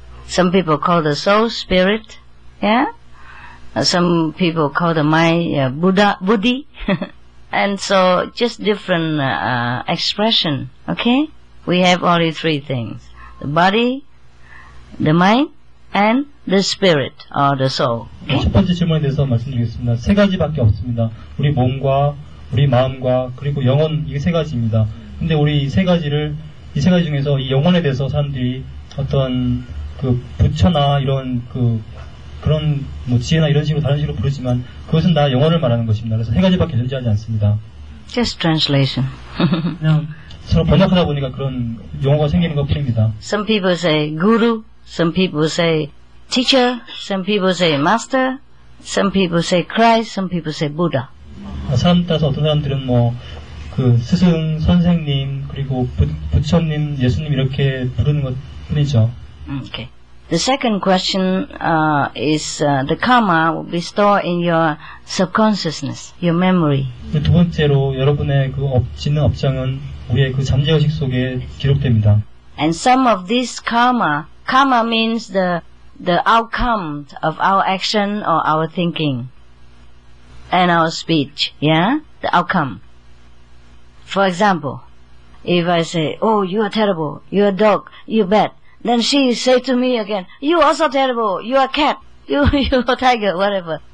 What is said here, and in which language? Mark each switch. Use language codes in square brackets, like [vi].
[en] Some people call the soul spirit, yeah? Some people call the mind buddhi. And so, just different expression, okay? We have only 3 things. The body, the mind and the spirit or the soul. [ko] 첫번째 질문에서 말씀드리겠습니다. 세 가지밖에 없습니다. 우리 몸과 우리 마음과 그리고 영혼, 이 세 가지입니다. 근데 우리 세 가지를, 이 세 가지 중에서 이 영혼에 대해서 사람들이 어떤 그 부처나 이런 그 그런 뭐 지혜나 이런 식으로 다른 식으로 부르지만 그것은 다 영혼을 말하는 것입니다. 그래서 세 가지밖에 존재하지 않습니다. [en] Just translation. [ko] 그냥 서로 번역하다 보니까 그런 용어가 생기는 것 뿐입니다. [en] Some people say guru, some people say teacher, some people say master, some people say Christ, some people say Buddha. [ko] 사람 따라서 어떤 사람들은 뭐 그 스승, 선생님, 그리고 부처님, 예수님 이렇게 부르는 것 뿐이죠. [en] Okay. The second question is the karma will be stored in your subconsciousness, your memory. [ko] 두 번째로 여러분의 그 업지는 업장은 우리의 그 잠재의식 속에 기록됩니다. [en] And some of this karma means the outcome of our action or our thinking and our speech, yeah? The outcome. For example, if I say, oh, you are terrible, you are dog, you are bad, then she say to me again, you also terrible, you are cat, you are tiger, whatever.